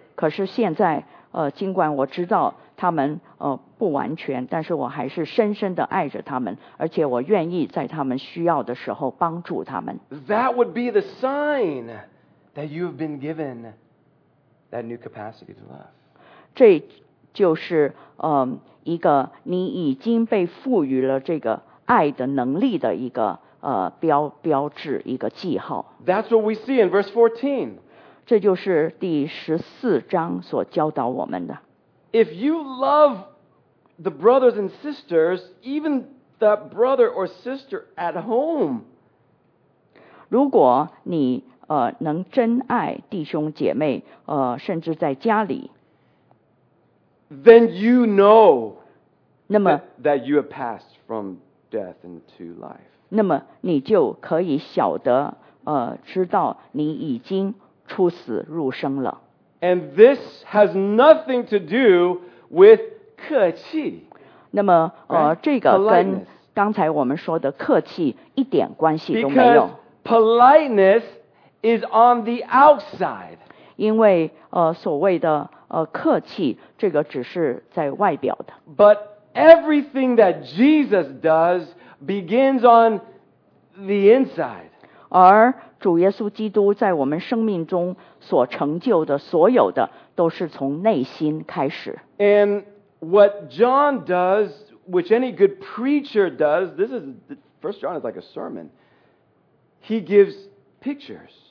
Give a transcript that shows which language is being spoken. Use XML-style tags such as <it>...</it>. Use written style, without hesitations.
<zh>可是现在尽管我知道他们不完全，但是我还是深深地爱着他们，而且我愿意在他们需要的时候帮助他们。</zh> <en>That would be the sign that you have been given that new capacity to love.</en> <zh>这就是一个你已经被赋予了这个爱的能力的一个标志，一个记号。</zh> <en>That's what we see in verse 14.</en> <zh>这就是第十四章所教导我们的。</zh> <en>If you love the brothers and sisters, even that brother or sister at home,</en> <zh>如果你能真爱弟兄姐妹甚至在家里，</zh> <en>then you know</en> <zh>那么</zh> <en>that you have passed from death into life.</en> <zh>那么你就可以晓得知道你已经出死入生了。</zh> <en>And this has nothing to do with 客气。</en> <zh>那么</zh> <en>right?</en> <zh>这个跟刚才我们说的客气一点关系都没有。</zh> <en>Because politeness is on the outside.</en> <zh>因为所谓的客气这个只是在外表的。</zh> <en>But everything that Jesus does begins on the inside.</en> <zh>而主耶稣基督在我们生命中所成就的所有的都是从内心开始。</zh> <en>And what John does, which any good preacher does, this is, first John is like a sermon, he gives pictures.</en>